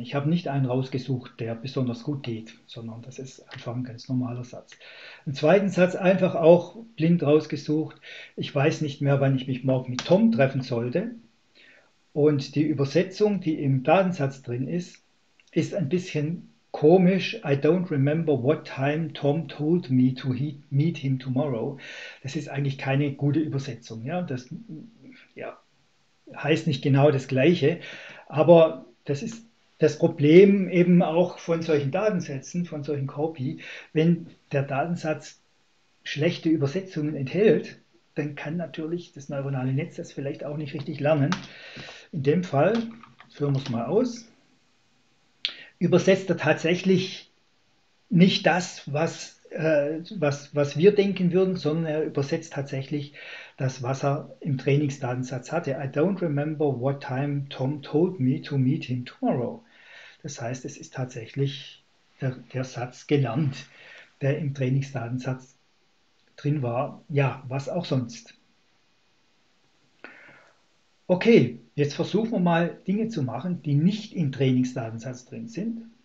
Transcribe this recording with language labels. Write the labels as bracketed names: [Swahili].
[German] Ich habe nicht einen rausgesucht, der besonders gut geht, sondern das ist einfach ein ganz normaler Satz. Einen zweiten Satz einfach auch blind rausgesucht. Ich weiß nicht mehr, wann ich mich morgen mit Tom treffen sollte. Und die Übersetzung, die im Datensatz drin ist, ist ein bisschen Komisch, [English] I don't remember what time Tom told me to meet him tomorrow. [German] Das ist eigentlich keine gute Übersetzung. Ja? Das ja, heißt nicht genau das Gleiche, aber das ist das Problem eben auch von solchen Datensätzen, von solchen Copy. Wenn der Datensatz schlechte Übersetzungen enthält, dann kann natürlich das neuronale Netz das vielleicht auch nicht richtig lernen. In dem Fall führen wir es mal aus. Übersetzt er tatsächlich nicht das, was wir denken würden, sondern er übersetzt tatsächlich das, was er im Trainingsdatensatz hatte. [English] I don't remember what time Tom told me to meet him tomorrow. [German] Das heißt, es ist tatsächlich der Satz gelernt, der im Trainingsdatensatz drin war. Ja, was auch sonst. Okay, jetzt versuchen wir mal Dinge zu machen, die nicht im Trainingsdatensatz drin sind.